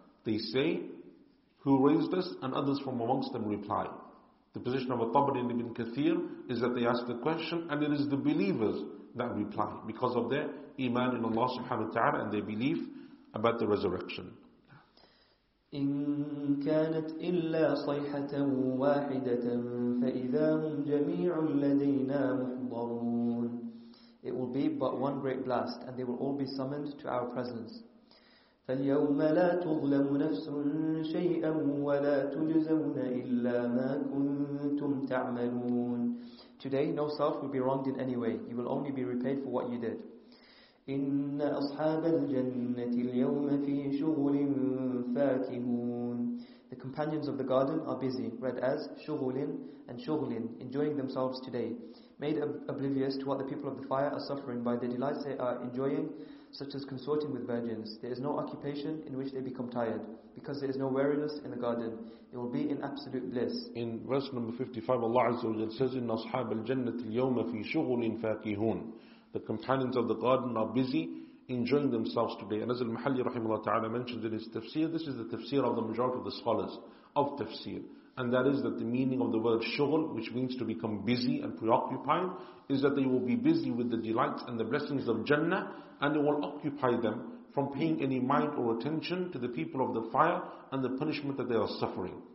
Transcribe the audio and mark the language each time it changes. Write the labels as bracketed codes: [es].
[en] They say, who raised us? And others from amongst them reply. The position of At-Tabari ibn Kathir is that they ask the question, and it is the believers that reply, because of their iman in Allah subhanahu wa ta'ala and their belief about the resurrection. [ar] إن كانت إلا صيحة واحدة فإذا هم جميع لدينا محضرون. [en] It will be but one great blast, and they will all be summoned to our presence. [ar] فاليوم لا تظلم نفس شيئا ولا تجزون إلا ما كنتم تعملون. [en] Today no self will be wronged in any way. You will only be repaid for what you did. [ar] إن أصحاب الجنة اليوم في شغل فاكهون. [en] The companions of the garden are busy, read as شغلين and شغلين, enjoying themselves today. Made oblivious to what the people of the fire are suffering by the delights they are enjoying, such as consorting with virgins. There is no occupation in which they become tired, because there is no weariness in the garden. It will be in absolute bliss. In verse number 55, Allah Azza wa Jalla says, [ar] إن أصحاب الجنة اليوم في شغل فاكهون. [en] The companions of the garden are busy enjoying themselves today. And as Al-Mahalli rahimahullah ta'ala mentioned in his tafsir, this is the tafsir of the majority of the scholars of tafsir. And that is that the meaning of the word shughl, which means to become busy and preoccupied, is that they will be busy with the delights and the blessings of Jannah, and it will occupy them from paying any mind or attention to the people of the fire and the punishment that they are suffering.